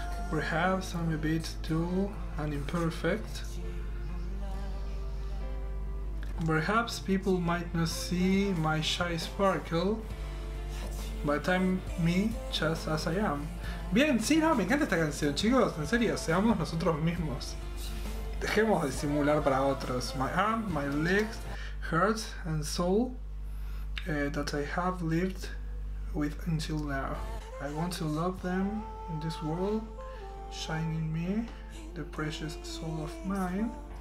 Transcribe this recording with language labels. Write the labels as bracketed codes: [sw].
[en] Perhaps I'm a bit dull and imperfect. Perhaps people might not see my shy sparkle, but I'm me just as I am. [es] Bien, sí, no, me encanta esta canción, chicos, en serio, seamos nosotros mismos. Dejemos de simular para otros. [en] My arm, my legs, heart and soul that I have lived with until now. I want to love them in this world, shining me, the precious soul of mine.